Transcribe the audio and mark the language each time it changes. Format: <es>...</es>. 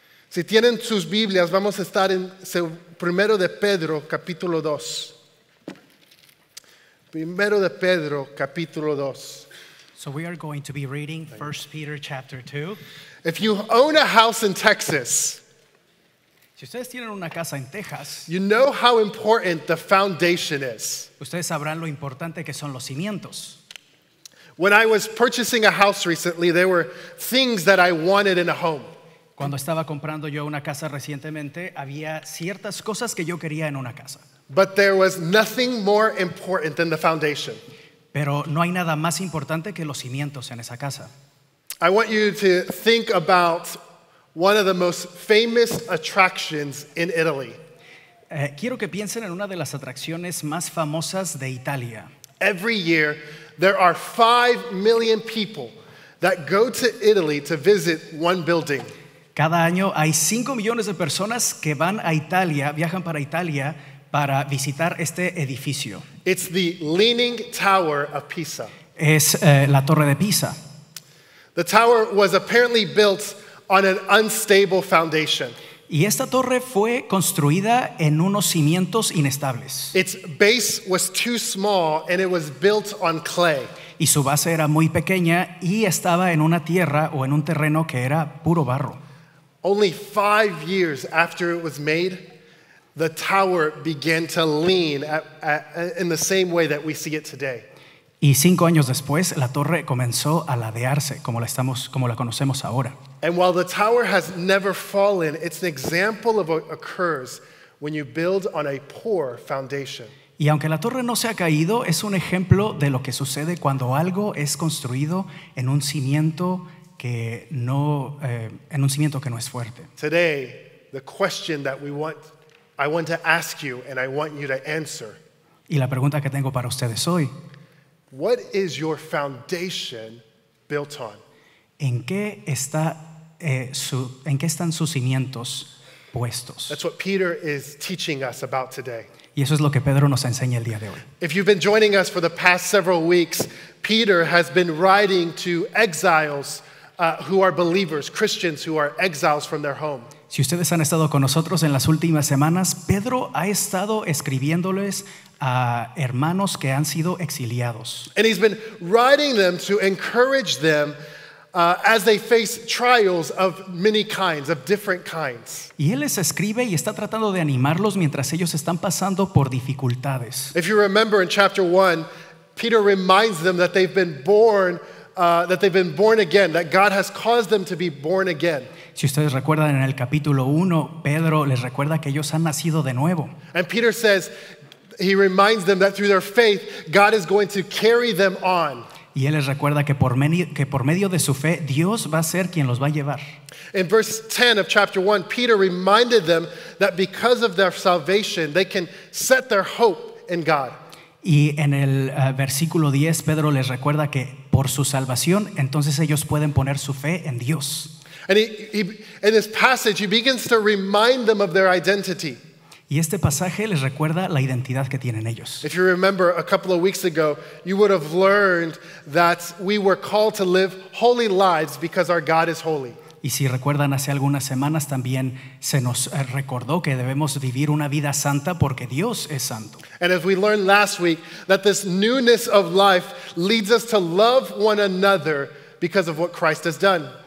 <es>Si tienen sus Biblias, vamos a estar en primero de Pedro, capítulo 2. Primero de Pedro, capítulo 2.</es> <en>So we are going to be reading 1 Peter chapter 2. If you own a house in Texas,</en> <es>si ustedes tienen una casa en Texas,</es> <en>you know how important the foundation is.</en> <es>Ustedes sabrán lo importante que son los cimientos.</es> <en>When I was purchasing a house recently, there were things that I wanted in a home.</en> <es>Cuando estaba comprando yo una casa recientemente, había ciertas cosas que yo quería en una casa.</es> <en>But there was nothing more important than the foundation.</en> <es>Pero no hay nada más importante que los cimientos en esa casa.</es> <en>I want you to think about one of the most famous attractions in Italy.</en> <es>Quiero que piensen en una de las atracciones más famosas de Italia.</es> <en>Every year, there are 5 million people that go to Italy to visit one building.</en> <es>Cada año hay 5 millones de personas que van a Italia, viajan para Italia para visitar este edificio.</es> <en>It's the Leaning Tower of Pisa.</en> <es>Es la Torre de Pisa.</es> <en>The tower was apparently built on an unstable foundation.</en> <es>Y esta torre fue construida en unos cimientos inestables.</es> <en>Its base was too small and it was built on clay.</en> <es>Y su base era muy pequeña y estaba en una tierra o en un terreno que era puro barro.</es> <en>Only 5 years after it was made, the tower began to lean in the same way that we see it today.</en> <es>Y 5 años después, la torre comenzó a ladearse, como la conocemos ahora.</es> <en>And while the tower has never fallen, it's an example of what occurs when you build on a poor foundation.</en> <es>Y aunque la torre no se ha caído, es un ejemplo de lo que sucede cuando algo es construido en un cimiento que no, en un cimiento que no es fuerte.</es> <en>Today, the question that I want to ask you and I want you to answer.</en> <es>Y la pregunta que tengo para ustedes hoy.</es> <en>What is your foundation built on?</en> <es>¿En qué está en qué están sus cimientos puestos?</es> <en>That's what Peter is teaching us about today.</en> <es>Y eso es lo que Pedro nos enseña el día de hoy.</es> <en>If you've been joining us for the past several weeks, Peter has been writing to exiles who are believers, Christians who are exiles from their home.</en> <es>Si ustedes han estado con nosotros en las últimas semanas, Pedro ha estado escribiéndoles a hermanos que han sido exiliados.</es> <en>And he's been writing them to encourage them as they face trials of many kinds, of different kinds.</en> <es>Y él les escribe y está tratando de animarlos mientras ellos están pasando por dificultades.</es> <en>If you remember in chapter 1, Peter reminds them that they've been born again, that God has caused them to be born again.</en> <es>Si ustedes recuerdan en el capítulo 1, Pedro les recuerda que ellos han nacido de nuevo.</es> <en>And Peter says, he reminds them that through their faith, God is going to carry them on.</en> <es>Y él les recuerda que por medio de su fe, Dios va a ser quien los va a llevar.</es> <en>In verse 10 of chapter 1, Peter reminded them that because of their salvation, they can set their hope in God.</en> <es>Y en el versículo 10, Pedro les recuerda que por su salvación, entonces ellos pueden poner su fe en Dios.</es> <en>And in this passage, he begins to remind them of their identity.</en> <es>Y este pasaje les recuerda la identidad que tienen ellos.</es> <en>If you remember a couple of weeks ago, you would have learned that we were called to live holy lives because our God is holy.</en> <es>Y si recuerdan, hace algunas semanas también se nos recordó que debemos vivir una vida santa porque Dios es santo.</es> <en>And as we learned last week, that this newness of life leads us to love one another because of what Christ has done.</en>